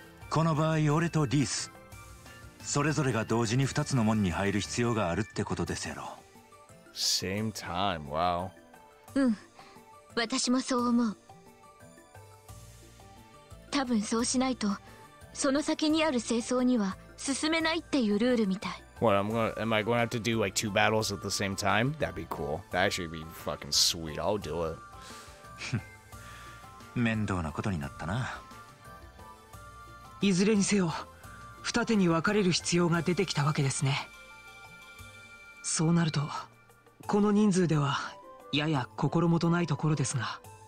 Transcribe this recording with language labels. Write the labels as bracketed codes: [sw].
[ja] この場合俺とリースそれぞれが同時に2つの門に入る必要があるってことですやろ。 [en] Same time. Wow. [ja] うん、私もそう思う。多分そうしないとその先にある清掃には進めないっていうルールみたい。 [en] What, am I going to have to do like two battles at the same time? That'd be cool. That actually be fucking sweet. I'll do it. [ja] 面倒なことになったな。いずれにせよ二手に分かれる必要が出てきたわけですね。そうなるとこの人数ではやや心もとないところですが。